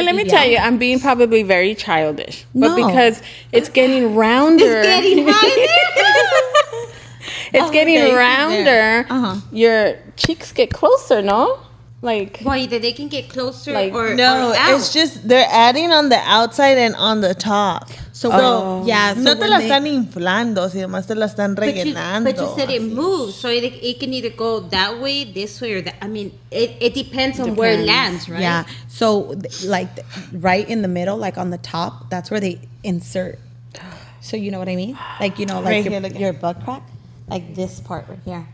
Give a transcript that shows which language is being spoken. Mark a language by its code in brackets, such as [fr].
[en] Let me tell you, I'm being probably very childish, but because it's getting rounder, it's getting rounder. Uh-huh. Your cheeks get closer, no? Like, well, either they can get closer it's just they're adding on the outside and on the top. So [es] no te la están inflando, sino más te la están rellenando. [en] But you said it moves, so it can either go that way, this way, or that. I mean, it depends on where it lands, right? Yeah. So, like, right in the middle, like on the top, that's where they insert. So you know what I mean? Like, you know, like right here, your butt crack. Like this part right here.